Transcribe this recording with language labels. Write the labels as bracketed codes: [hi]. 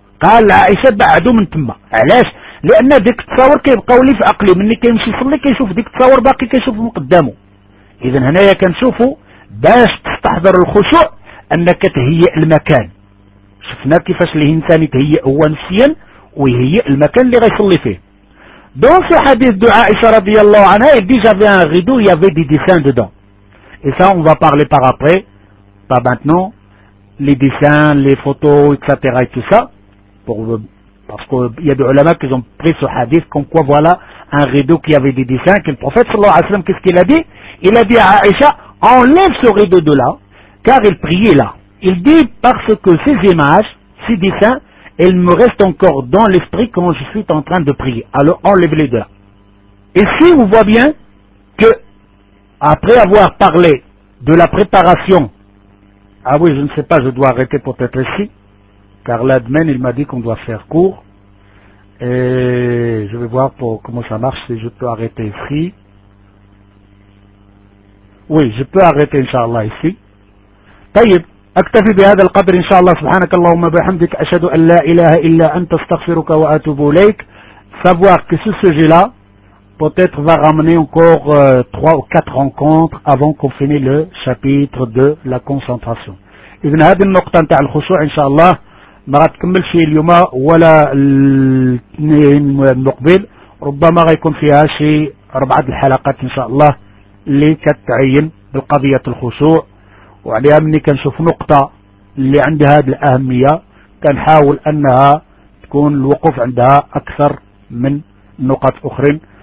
[ar] قال عائشة بعده من تما. علاش؟ لأن ديك التصاور كيبقاو لي في عقلي، مني كيمشي يصلي كيشوف ديك التصاور باقي كيشوف من قدامه. إذا هنايا كنشوفوا باش تستحضر الخشوع أنك تهيئ المكان. شفنا كيفاش الإنسان يتهيئ هو نفسيا ويهيئ المكان اللي غيصلي فيه. [fr] Dans ce hadith de Aïcha [ar] radiallahu anha, [fr] il dit j'avais un rideau, il y avait des dessins dedans. Et ça, on va parler par après, pas maintenant, les dessins, les photos, etc. et tout ça, parce qu'il y a des ulama qui ont pris ce hadith comme quoi voilà un rideau qui avait des dessins. Que le prophète [ar] sallallahu alayhi wa sallam, [fr] qu'est-ce qu'il a dit? Il a dit à Aïcha, enlève ce rideau de là, car il priait là. Il dit parce que ces images, ces dessins, elle me reste encore dans l'esprit quand je suis en train de prier. Alors enlevez-les de là. Et si on voit bien que, après avoir parlé de la préparation, ah oui, je ne sais pas, je dois arrêter peut-être ici, car l'admin, il m'a dit qu'on doit faire court. Et je vais voir pour comment ça marche, si je peux arrêter ici. Oui, je peux arrêter, Inch'Allah, ici. [ar] Tayyib. أكتفي بهذا القدر إن شاء الله سبحانك اللهم وبحمدك أشهد أن لا إله إلا أنت استغفرك وأتوب إليك. [fr] Savoir que ce sujet-là peut-être va ramener encore trois ou quatre rencontres avant qu'on finisse le chapitre de la concentration. [ar] إذن هذه النقطة نتاع الخشوع إن شاء الله ما غتكملش اليوم ولا الاثنين المقبل ربما غيكون فيها شي أربعة الحلقات إن شاء الله اللي كتعين بالقضية الخشوع. وعليها مني كنشوف نقطة اللي عندها هذه الأهمية كنحاول أنها تكون الوقوف عندها أكثر من نقط أخرى.